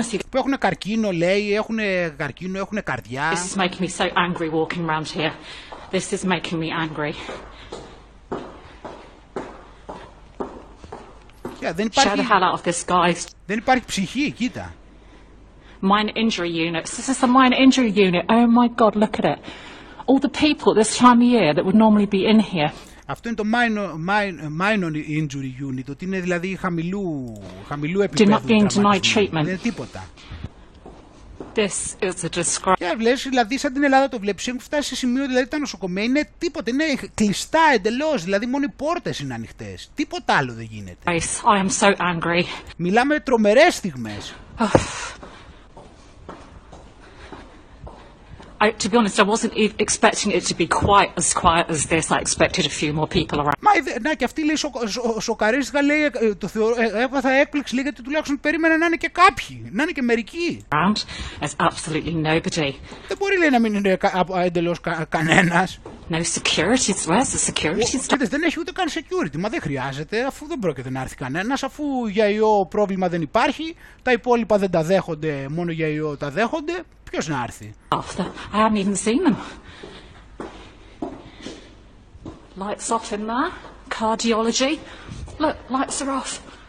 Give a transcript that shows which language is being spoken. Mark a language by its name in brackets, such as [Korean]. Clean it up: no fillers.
[Greek] Που έχουν καρκίνο, λέει, έχουν καρκίνο, έχουν καρδιά. [English] This is making me so angry walking around here. This is making me angry. [Greek] Δεν υπάρχει... [English] Share the hell out of this, guys. [Greek] Δεν υπάρχει ψυχή, κοίτα. [English] Mine injury unit. This is the mine injury unit. Oh my God, look at it. All the people this time of year that would normally be in here. [Greek] Αυτό είναι το minor injury unit. Ότι είναι δηλαδή χαμηλού επίπεδου. [English] Did not being denied treatment. [Greek] Δεν είναι τίποτα. [English] This is a disgrace. [Greek] Και βλέπεις, δηλαδή, σαν την Ελλάδα το βλέπεις, έχουν φτάσει σε σημείο, δηλαδή, τα νοσοκομεία είναι τίποτα. Είναι κλειστά εντελώς. Δηλαδή, μόνο οι πόρτες είναι ανοιχτές. Τίποτα άλλο δεν γίνεται. [English] I am so angry. [Greek] Μιλάμε τρομερές στιγμές. [English] To be honest, I wasn't even expecting it to be quite as this. I expected a few more people around. [Greek] Μα να και αυτή λέει σοκαρίστηκα, λέει, το θεωρώ, έπαθα έκπληξη, λέει, γιατί τουλάχιστον περίμενα να είναι και κάποιοι, να είναι και μερικοί. [English] Around, there's absolutely nobody. [Greek] Δεν μπορεί, λέει, να μην είναι εντελώς κανένας. [English] No security, where's the security? [Greek] Κοίτας, δεν έχει ούτε καν security, μα δεν χρειάζεται, αφού δεν πρόκειται να έρθει κανένας, αφού για ιό πρόβλημα δεν υπάρχει, τα υπόλοιπα δεν τα δέχονται, μόνο για ιό τα δέχονται. Ποιος να έρθει. [English] I haven't even seen them. Lights off in there. Cardiology. Look, lights are off.